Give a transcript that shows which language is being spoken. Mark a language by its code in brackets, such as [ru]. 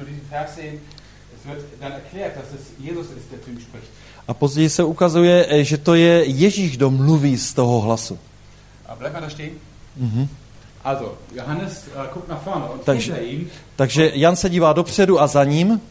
[de] 13, es wird dann erklärt, dass es Jesus ist, der zu ihm spricht. [cs] A později se ukazuje, že to je Ježíš, kdo mluví z toho hlasu. [de] A bleibt da stehen. Mhm. Also, Johannes guckt nach vorne und hinter ihm. [cs] Takže Jan se dívá dopředu a za ním.